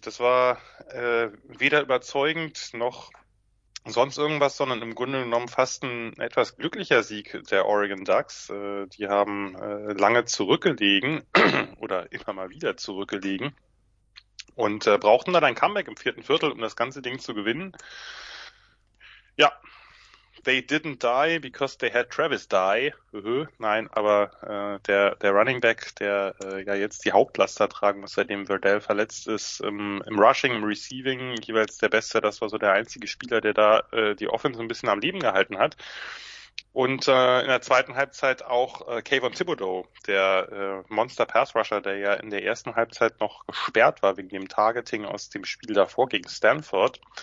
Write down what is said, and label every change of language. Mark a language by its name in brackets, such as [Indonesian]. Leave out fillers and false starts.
[German] Das war weder überzeugend noch sonst irgendwas, sondern im Grunde genommen fast ein etwas glücklicher Sieg der Oregon Ducks. Die haben lange zurückgelegen oder immer mal wieder zurückgelegen und brauchten dann ein Comeback im vierten Viertel, um das ganze Ding zu gewinnen. [English] Ja, they didn't die because they had Travis die. [German] Nein, aber der Running Back, der ja jetzt die Hauptlaster tragen muss, seitdem Verdell verletzt ist, im Rushing, im Receiving jeweils der Beste, das war so der einzige Spieler, der da die Offense ein bisschen am Leben gehalten hat. Und in der zweiten Halbzeit auch Kayvon Thibodeau, der Monster Pass Rusher, der ja in der ersten Halbzeit noch gesperrt war wegen dem Targeting aus dem Spiel davor gegen Stanford.